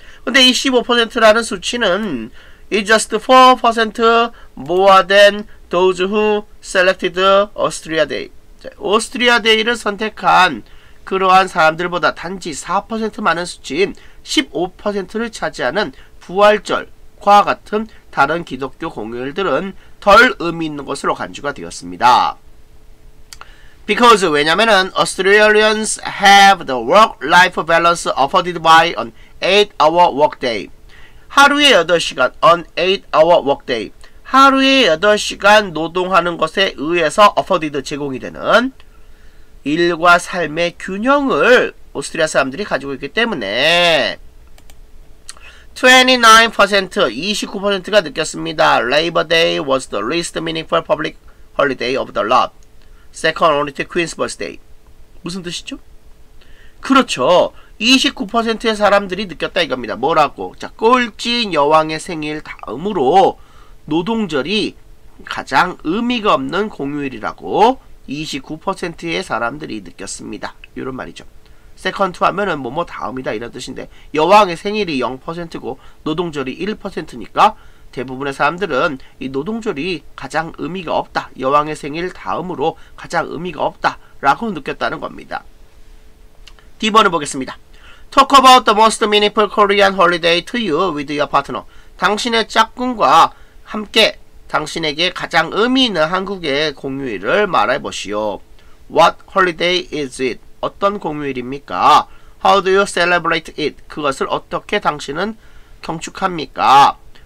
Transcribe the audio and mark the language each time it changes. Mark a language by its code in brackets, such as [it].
[ko] 근데 이 15%라는 수치는 [en] is just 4% more than those who selected Austria Day. [ko] 자, Austria Day를 선택한 그러한 사람들보다 단지 4% 많은 수치인 15%를 차지하는 부활절과 같은 다른 기독교 공휴일들은 덜 의미 있는 것으로 간주가 되었습니다. [en] Because, [ko] 왜냐면은, [en] Australians have the work-life balance afforded by an 8-hour workday. [ko] 하루에 8시간, [en] an 8-hour workday. [ko] 하루에 8시간 노동하는 것에 의해서 afforded 제공이 되는 일과 삶의 균형을 오스트리아 사람들이 가지고 있기 때문에 29%가 느꼈습니다. [en] Labor Day was the least meaningful public holiday of the lot. Second only to Queen's Birthday. [ko] 무슨 뜻이죠? 그렇죠. 29%의 사람들이 느꼈다 이겁니다. 뭐라고? 자, 꼴찌인 여왕의 생일 다음으로 노동절이 가장 의미가 없는 공휴일이라고 29%의 사람들이 느꼈습니다. 이런 말이죠. [en] Second to [ko] 하면은 뭐뭐 다음이다 이런 뜻인데 여왕의 생일이 0%고 노동절이 1%니까 대부분의 사람들은 이 노동절이 가장 의미가 없다. 여왕의 생일 다음으로 가장 의미가 없다. 라고 느꼈다는 겁니다. D번을 보겠습니다. [en] Talk about the most meaningful Korean holiday to you with your partner. [ko] 당신의 짝꿍과 함께 당신에게 가장 의미 있는 한국의 공휴일을 말해보시오. [en] What holiday is it? [ko] 어떤 공휴일입니까? [en] How do you celebrate it? [ko] 그것을 어떻게 당신은 경축합니까?